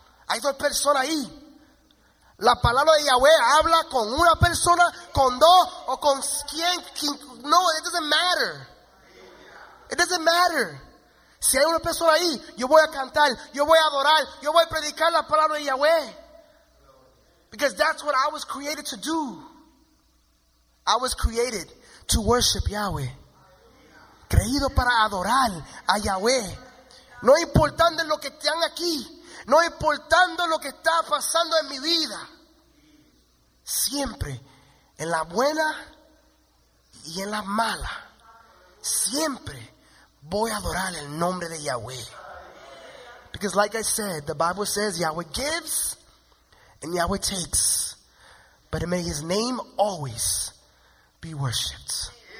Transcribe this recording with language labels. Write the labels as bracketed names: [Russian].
[Spanish] Hay dos personas ahí. La palabra de Yahweh habla con una persona, con dos o con quien. [English] No, it doesn't matter. It doesn't matter. [Spanish] Si hay una persona ahí, yo voy a cantar, yo voy a adorar, yo voy a predicar la palabra de Yahweh. [English] Because that's what I was created to do. I was created to worship Yahweh. [Spanish] Creído para adorar a Yahweh. No importando lo que están aquí. No importando lo que está pasando en mi vida. Siempre, en la buena y en la mala, siempre voy a adorar el nombre de Yahweh. [English] Because like I said, the Bible says Yahweh gives and Yahweh takes. But may his name always be worshipped.